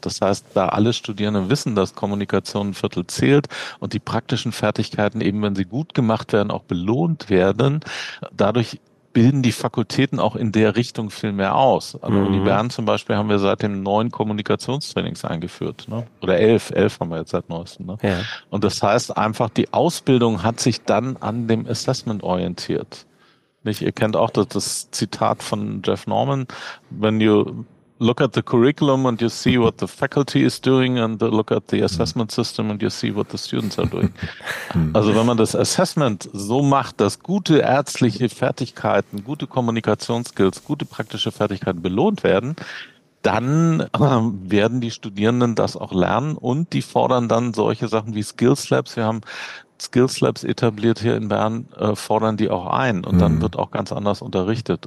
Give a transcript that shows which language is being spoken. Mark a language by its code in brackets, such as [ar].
[de] Das heißt, da alle Studierenden wissen, dass Kommunikation ein Viertel zählt und die praktischen Fertigkeiten eben, wenn sie gut gemacht werden, auch belohnt werden, dadurch bilden die Fakultäten auch in der Richtung viel mehr aus. An der Uni Bern zum Beispiel haben wir seitdem 9 Kommunikationstrainings eingeführt, ne? Oder 11 haben wir jetzt seit neuestem. Ne? Ja. Und das heißt einfach, die Ausbildung hat sich dann an dem Assessment orientiert. Nicht? Ihr kennt auch das Zitat von Jeff Norman, [en] when you look at the curriculum and you see what the faculty is doing and look at the assessment system and you see what the students are doing. [de] Also wenn man das Assessment so macht, dass gute ärztliche Fertigkeiten, gute Kommunikationsskills, gute praktische Fertigkeiten belohnt werden, dann werden die Studierenden das auch lernen und die fordern dann solche Sachen wie Skills Labs. Wir haben Skills Labs etabliert hier in Bern, fordern die auch ein und dann wird auch ganz anders unterrichtet.